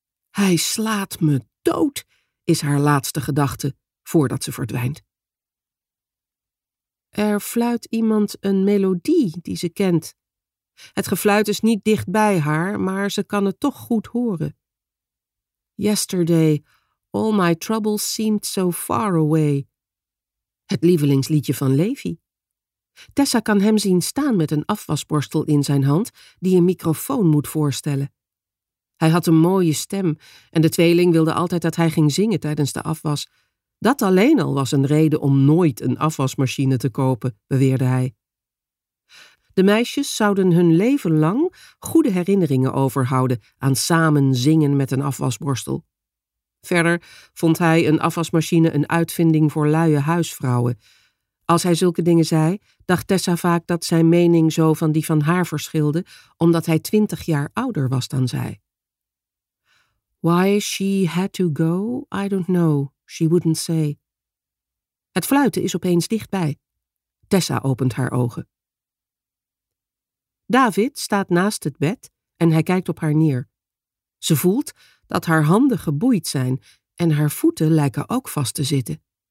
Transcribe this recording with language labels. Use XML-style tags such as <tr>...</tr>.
<nl>Hij slaat me dood, is haar laatste gedachte voordat ze verdwijnt. Er fluit iemand een melodie die ze kent. Het gefluit is niet dicht bij haar, maar ze kan het toch goed horen.</nl> <en>Yesterday, all my troubles seemed so far away.</en> <nl>Het lievelingsliedje van Levi. Tessa kan hem zien staan met een afwasborstel in zijn hand die een microfoon moet voorstellen. Hij had een mooie stem en de tweeling wilde altijd dat hij ging zingen tijdens de afwas. Dat alleen al was een reden om nooit een afwasmachine te kopen, beweerde hij. De meisjes zouden hun leven lang goede herinneringen overhouden aan samen zingen met een afwasborstel. Verder vond hij een afwasmachine een uitvinding voor luie huisvrouwen. Als hij zulke dingen zei, dacht Tessa vaak dat zijn mening zo van die van haar verschilde, omdat hij 20 jaar ouder was dan zij.</nl> <en>Why she had to go, I don't know, she wouldn't say.</en> <nl>Het fluiten is opeens dichtbij. Tessa opent haar ogen. David staat naast het bed en hij kijkt op haar neer. Ze voelt dat haar handen geboeid zijn en haar voeten lijken ook vast te zitten.</nl>